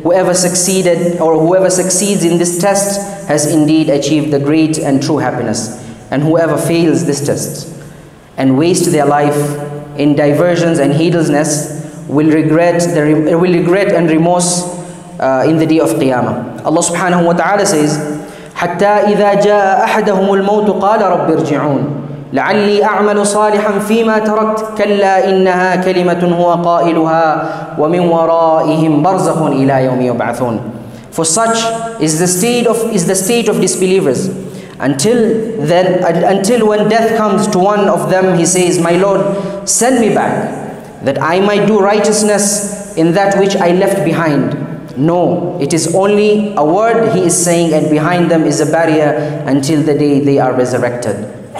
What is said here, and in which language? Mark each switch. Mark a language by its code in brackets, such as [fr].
[en] Whoever succeeds in this test has indeed achieved the great and true happiness. And whoever fails this test and wastes their life in diversions and heedlessness will regret and remorse in the day of Qiyamah. [ar] Allah subhanahu wa ta'ala says, حتى إذا جاء أحدهم الموت قال رب ارجعون لعلي أعمل صالحا فيما تركت كلا إنها كلمة هو قائلها ومن ورائهم برزخ إلى يوم يبعثون. [en] For such is the state of disbelievers. Until then, until when death comes to one of them, he says, My Lord, send me back, that I might do righteousness in that which I left behind. No, it is only a word he is saying, and behind them is a barrier until the day they are resurrected.